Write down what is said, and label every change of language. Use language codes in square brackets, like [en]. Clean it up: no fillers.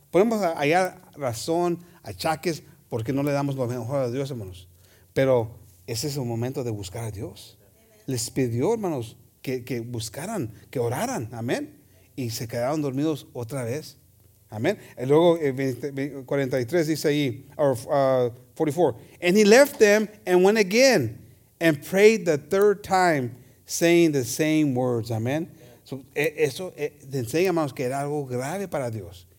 [es] Podemos hallar razón, achaques, porque no le damos lo mejor a Dios, hermanos. Pero ese es el momento de buscar a Dios. Les pidió, hermanos, que buscaran, que oraran. Amén. Y se quedaron dormidos otra vez. Amen. Y luego 43 dice ahí, or 44. [en] And he left them and went again and prayed the third time, saying the same words. Amen. Yeah. [es] So eso te enseña, hermanos, que era algo grave para Dios.